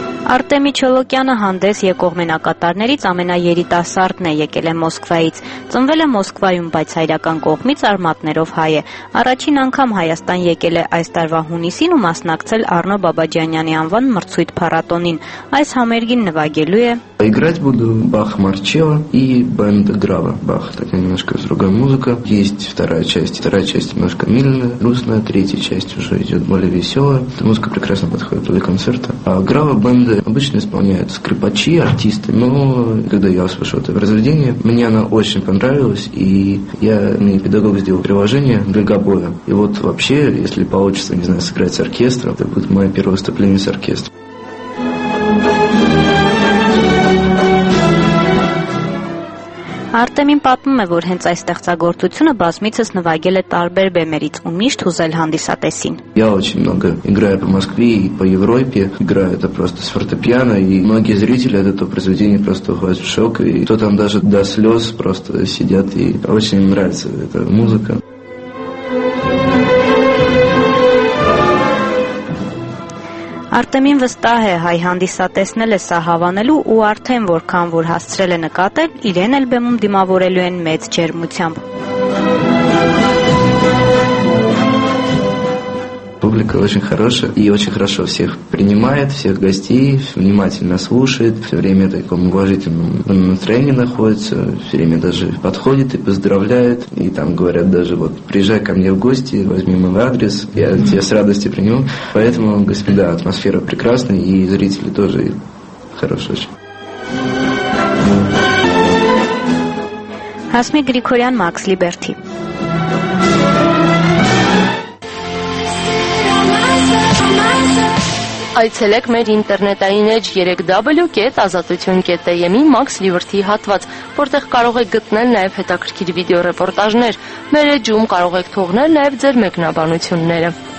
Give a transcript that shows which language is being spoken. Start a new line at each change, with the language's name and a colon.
Armenian: Արտեմի Չոլոկյանը հանդես եկող մենակատարներից ամենաերիտասարդն է, եկել է Մոսկվայից։ Ծնվել է Մոսկվայում, բայց հայրական կողմից արմատներով հայ է։ Առաջին անգամ Հայաստան եկել է այս տարվա հունիսին ու մասնակցել Առնո Բաբաջանյանի անվան մրցույթ փառատոնին։ Այս համերգին նվագելու է
Russian: Играть буду Бах Марчелло и Бенд Грава. Бах – такая немножко другая музыка. Есть вторая часть немножко мильная, грустная, третья часть уже идет более веселая. Эта музыка прекрасно подходит для концерта. А Грава бенды обычно исполняют скрипачи, артисты, но когда я услышал это произведение, мне она очень понравилась, и я мне педагог сделал приложение для габоя. И вот вообще, если получится, не знаю, сыграть с оркестром, это будет мое первое выступление с оркестром.
Armenian: Արտեմին պատմում է, որ հենց այս ստեղծագործությունը բազմիցս նվագել է տարբեր բեմերից ու միշտ հուզել հանդիսատեսին։
Russian: Я очень много играю по Москве и по Европе. Играю это просто с фортепиано, и многие зрители от этого произведения просто уходят в шок, и кто там даже до слёз просто сидят, и очень им нравится эта музыка.
Armenian: Արտեմին վստահ է, հայ հանդիսատեսնել է սա հավանելու ու արդեն որքան որ հասցրել է նկատել, իրեն էլ բեմում դիմավորելու են մեծ ջերմությամբ։
Russian: Публика очень хорошая и очень хорошо всех принимает, всех гостей, внимательно слушает, все время в таком уважительном настроении находится, все время даже подходит и поздравляет, и там говорят даже вот приезжай ко мне в гости, возьми мой адрес, я тебя с радостью приму, поэтому, господа, атмосфера прекрасная и зрители тоже хорошие очень.
Armenian: Հասմիկ Գրիգորյան, Մաքս Լիբերթի. Այցելեք մեր ինտերնետային էջ www.azatutyun.am-ի Մաքս Լիբերթի հատված, որտեղ կարող եք գտնել նաև հետաքրքիր վիդեո ռեպորտաժներ։ Մեր էջում կարող եք թողնել նաև ձեր մեկնաբանությունները։